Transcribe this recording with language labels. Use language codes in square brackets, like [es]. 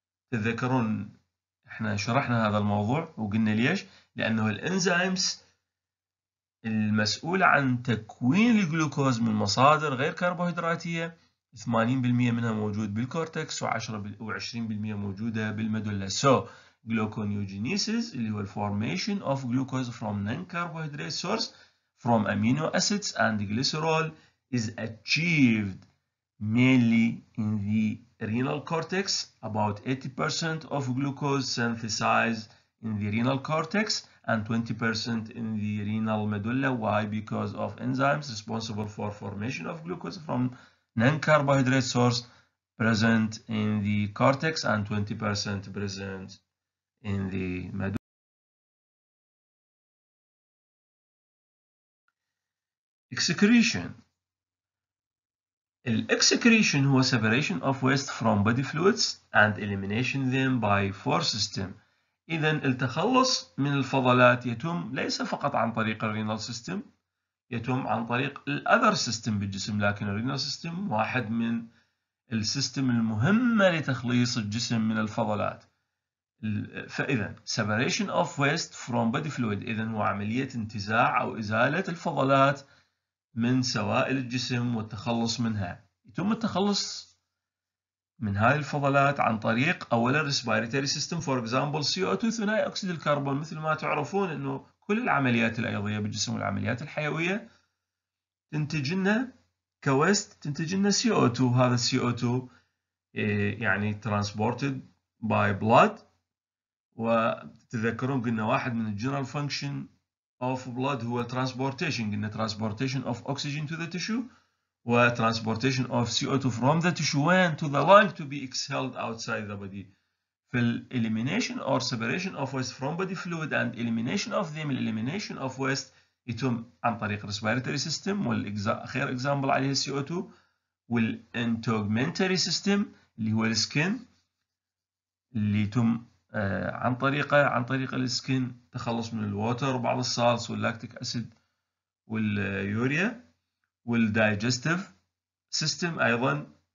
[ar] تذكرون احنا شرحنا هذا الموضوع وقلنا ليش؟ لأنه الإنزيمز المسؤولة عن تكوين الجلوكوز من مصادر غير كربوهيدراتية 80% منها موجود بالكورتكس و20% موجودة بالميدولا. [en] So gluconeogenesis [ar] اللي هو [en] formation of glucose from non-carbohydrate source from amino acids and glycerol is achieved mainly in the renal cortex. About 80% of glucose synthesized in the renal cortex and 20% in the renal medulla. Why? Because of enzymes responsible for formation of glucose from non-carbohydrate source present in the cortex and 20% present in the medulla. Excretion. Excretion [ar] هو [en] separation of waste from body fluids and elimination them by four system. [ar] إذا التخلص من الفضلات يتم ليس فقط عن طريق الرينال سيستم، يتم عن طريق الأذر سيستم بالجسم، لكن الرينال سيستم واحد من السيستم المهمة لتخليص الجسم من الفضلات. فإذا [en] separation of waste from body fluid، [ar] إذا هو عملية انتزاع أو إزالة الفضلات من سوائل الجسم والتخلص منها. يتم التخلص من هذه الفضلات عن طريق اولا [en] respiratory system for example [ar] CO2 ثنائي اكسيد الكربون، مثل ما تعرفون انه كل العمليات الايضيه بالجسم والعمليات الحيويه تنتج لنا كويست، تنتج لنا CO2. هذا [en] CO2 [ar] يعني [en] transported by blood، [ar] وتتذكرون قلنا واحد من [en] general function of blood [ar] هو [en] transportation، [ar] قلنا [en] transportation of oxygen to the tissue و transportation of CO2 from the tissue to the lung to be exhaled outside the body. في ال elimination or separation of waste from body fluid and elimination of them. Elimination of waste [ar] يتم عن طريق [en] respiratory system [ar] والأخير example عليه CO2 وال [en] integumentary system [ar] اللي هو السكن، اللي يتم عن طريق السكن تخلص من الوتر وبعض الصالص واللاكتيك أسيد واليوريا، والدايجستيف سيستم ايضا